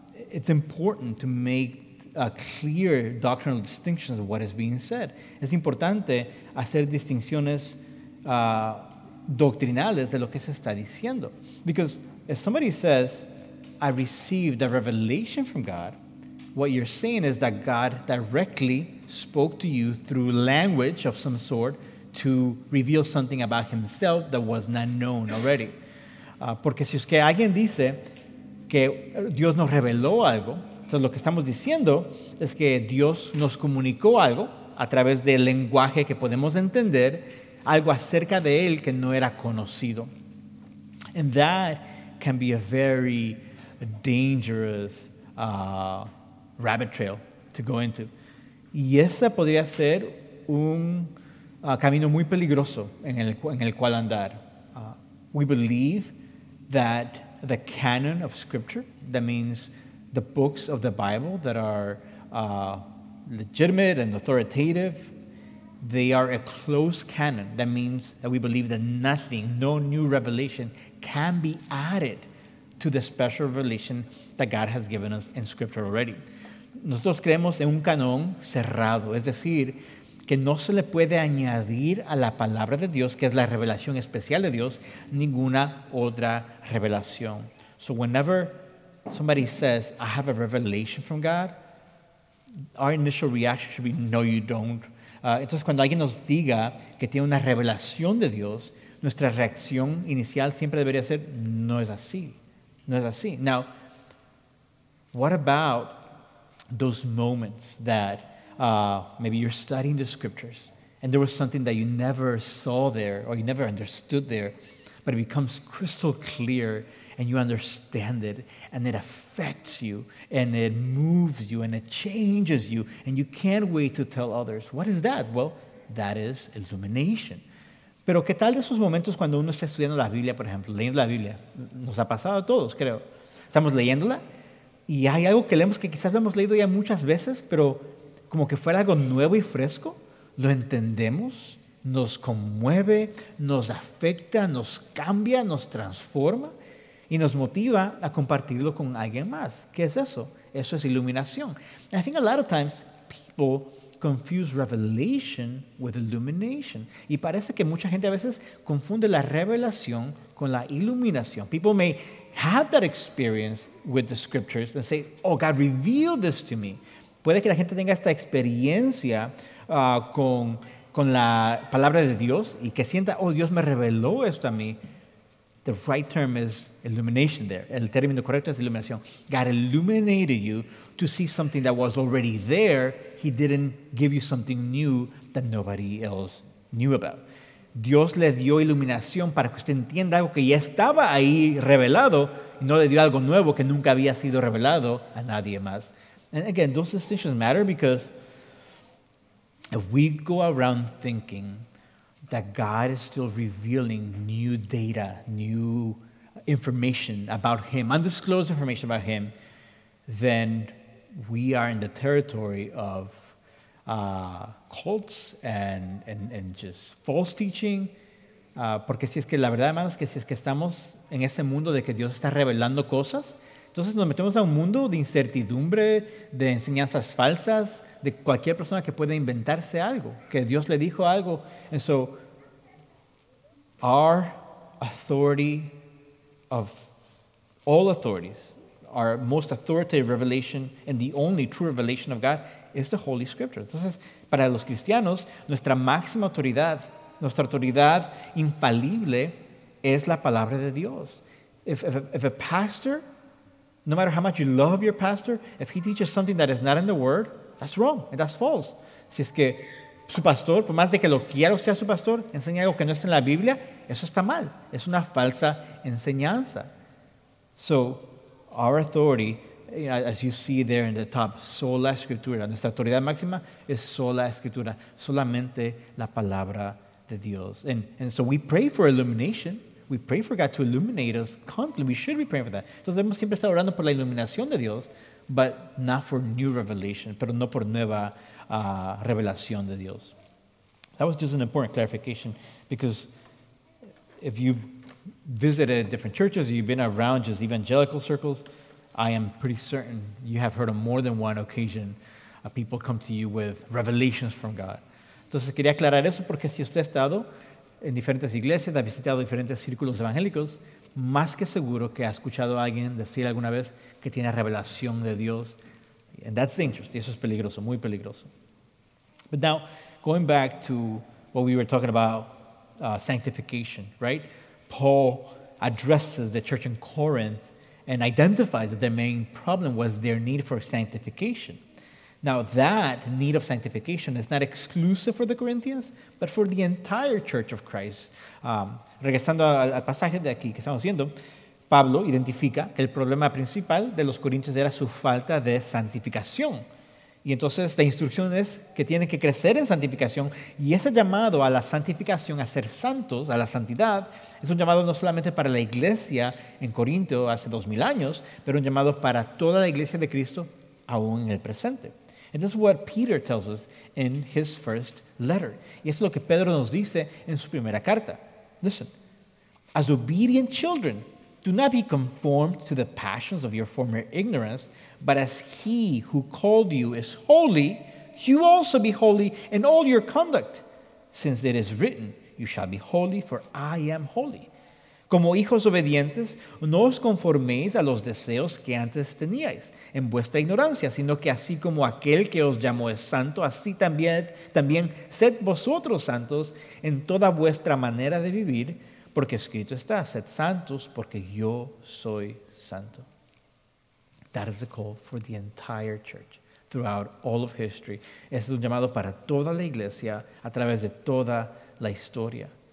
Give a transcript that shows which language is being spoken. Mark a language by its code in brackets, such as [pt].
[en] It's important to make clear doctrinal distinctions of what is being said. [es] Es importante hacer distinciones doctrinales de lo que se está diciendo. [en] Because if somebody says, I received a revelation from God, what you're saying is that God directly spoke to you through language of some sort to reveal something about himself that was not known already. [es] Porque si es que alguien dice que Dios nos reveló algo, entonces lo que estamos diciendo es que Dios nos comunicó algo a través del lenguaje que podemos entender, algo acerca de él que no era conocido. [en] And that can be a very dangerous rabbit trail to go into. [es] Y ese podría ser un camino muy peligroso en el cual andar. [en] We believe that the canon of scripture, that means the books of the Bible that are legitimate and authoritative, they are a closed canon. That means that we believe that nothing, no new revelation, can be added to the special revelation that God has given us in scripture already. [es] Nosotros creemos en un canon cerrado, es decir, que no se le puede añadir a la palabra de Dios, que es la revelación especial de Dios, ninguna otra revelación. [en] So whenever somebody says, I have a revelation from God, our initial reaction should be, no, you don't. [es] Entonces, cuando alguien nos diga que tiene una revelación de Dios, nuestra reacción inicial siempre debería ser, no es así. No es así. [en] Now, what about those moments that maybe you're studying the scriptures and there was something that you never saw there or you never understood there, but it becomes crystal clear and you understand it and it affects you and it moves you and it changes you and you can't wait to tell others. What is that? Well, that is illumination. [es] Pero ¿qué tal de esos momentos cuando uno está estudiando la Biblia, por ejemplo, leyendo la Biblia? Nos ha pasado a todos, creo. Estamos leyéndola y hay algo que leemos que quizás lo hemos leído ya muchas veces, pero como que fuera algo nuevo y fresco, lo entendemos, nos conmueve, nos afecta, nos cambia, nos transforma y nos motiva a compartirlo con alguien más. ¿Qué es eso? Eso es iluminación. [en] I think a lot of times people confuse revelation with illumination. [es] Y parece que mucha gente a veces confunde la revelación con la iluminación. [en] People may have that experience with the scriptures and say, oh, God revealed this to me. [es] Puede que la gente tenga esta experiencia con la palabra de Dios y que sienta, oh, Dios me reveló esto a mí. [en] The right term is illumination there. [es] El término correcto es iluminación. [en] God illuminated you to see something that was already there. He didn't give you something new that nobody else knew about. [es] Dios le dio iluminación para que usted entienda algo que ya estaba ahí revelado y no le dio algo nuevo que nunca había sido revelado a nadie más. [en] And again, those distinctions matter because if we go around thinking that God is still revealing new data, new information about him, undisclosed information about him, then we are in the territory of cults and just false teaching. [es] Porque si es que la verdad, hermano, es que si es que estamos en ese mundo de que Dios está revelando cosas, entonces nos metemos a un mundo de incertidumbre, de enseñanzas falsas, de cualquier persona que puede inventarse algo, que Dios le dijo algo. [en] And so, our authority of all authorities, our most authoritative revelation and the only true revelation of God is the Holy Scripture. [es] Entonces, para los cristianos, nuestra máxima autoridad, nuestra autoridad infalible es la palabra de Dios. [en] If a pastor, no matter how much you love your pastor, if he teaches something that is not in the Word, that's wrong and that's false. [es] Si es que su pastor, por más de que lo quiera usted a su pastor, enseña algo que no está en la Biblia, eso está mal. Es una falsa enseñanza. [en] So, our authority, as you see there in the top, [es] sola escritura, nuestra autoridad máxima es sola escritura, solamente la palabra de Dios. [en] And so we pray for illumination. We pray for God to illuminate us constantly. We should be praying for that. [es] Entonces, debemos siempre estar orando por la iluminación de Dios, [en] but not for new revelation, [es] pero no por nueva revelación de Dios. [en] That was just an important clarification, because if you visited different churches, you've been around just evangelical circles, I am pretty certain you have heard on more than one occasion people come to you with revelations from God. [es] Entonces, quería aclarar eso porque si usted ha estado en diferentes iglesias, ha visitado diferentes círculos evangélicos, más que seguro que ha escuchado a alguien decir alguna vez que tiene revelación de Dios. [en] And that's dangerous. [es] Y eso es peligroso, muy peligroso. [en] But now, going back to what we were talking about, sanctification, right? Paul addresses the church in Corinth and identifies that their main problem was their need for sanctification. Now, that need of sanctification is not exclusive for the Corinthians, but for the entire church of Christ. [es] Regresando al pasaje de aquí que estamos viendo, Pablo identifica que el problema principal de los corintios era su falta de santificación. Y entonces la instrucción es que tienen que crecer en santificación, y ese llamado a la santificación, a ser santos, a la santidad, es un llamado no solamente para la iglesia en Corinto hace 2,000 años, pero un llamado para toda la iglesia de Cristo aún en el presente. [en] And this is what Peter tells us in his first letter. [es] Y eso es lo que Pedro nos dice en su primera carta. [en] Listen, as obedient children, do not be conformed to the passions of your former ignorance, but as he who called you is holy, you also be holy in all your conduct, since it is written, you shall be holy, for I am holy. [es] Como hijos obedientes, no os conforméis a los deseos que antes teníais en vuestra ignorancia, sino que así como aquel que os llamó es santo, así también sed vosotros santos en toda vuestra manera de vivir, porque escrito está, sed santos porque yo soy santo. [en] That is a call for the entire church throughout all of history. [es] Es un llamado para toda la iglesia a través de toda la historia.